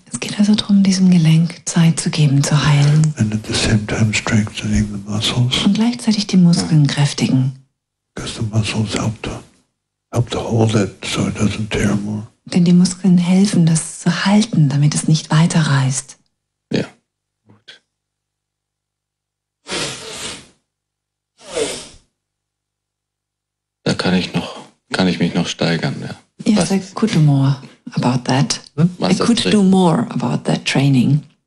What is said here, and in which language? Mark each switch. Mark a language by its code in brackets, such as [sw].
[de] Es geht also darum, diesem Gelenk Zeit zu geben, zu heilen. [en] And at the same time strengthening the muscles. [de] Und gleichzeitig die Muskeln kräftigen. [en] Because the muscles help to hold it, so it doesn't tear more. [de] Denn die Muskeln helfen, das zu halten, damit es nicht weiter reißt. Ja. Gut. Da kann ich mich noch steigern, ja. [en] Yes, I could do more about that. I could do more about that training.